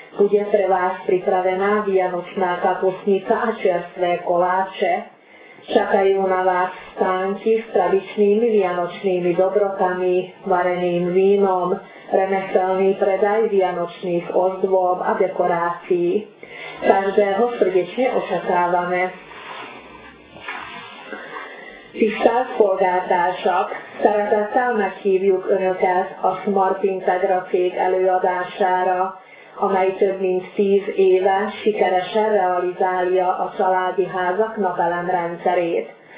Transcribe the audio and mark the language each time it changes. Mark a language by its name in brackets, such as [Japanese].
[Slovak] Bude pre vás pripravená vianočná kapusnica a čerstvé koláče. Čakajú na vás stánky s tradičnými vianočnými dobrotami, vareným vínom, remeselný predaj vianočných ozdôb a dekorácií. Každého srdečne očakávame. [Hungarian] Tisztelt polgártársak, szeretettel meghívjuk Önöket a Smart Integra cég előadására, amely több mint 10 éve sikeresen realizálja a családi házak napelemrendszerét.